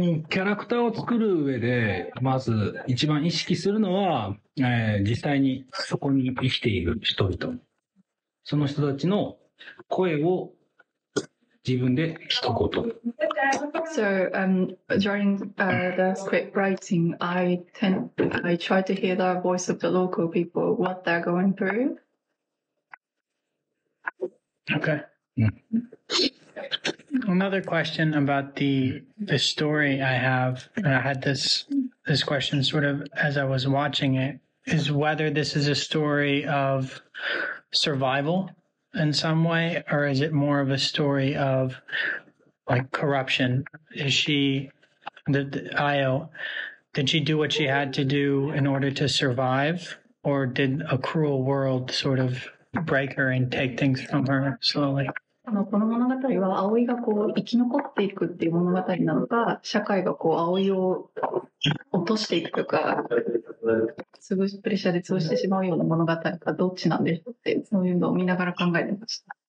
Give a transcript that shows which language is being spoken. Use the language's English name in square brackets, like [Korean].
[Japanese] キャラクターを作る上でまず一番意識するのは、実際にそこに生きている人々、その人たちの声を自分で聞くこと。 [English] So, during the script writing, I try to hear the voice of the local people, what they're going through. Okay. Another question about the story I have, and I had this question sort of as I was watching it, is whether this is a story of survival in some way, or is it more of a story of like corruption? Is she, the Ayo, did she do what she had to do in order to survive, or did a cruel world sort of break her and take things from her slowly? [Japanese] この物語は葵がこう生き残っていくっていう物語なのか、社会がこう葵を落としていくとか、潰しプレッシャーで潰してしまうような物語か、どっちなんでしょうって、そういうのを見ながら考えてました。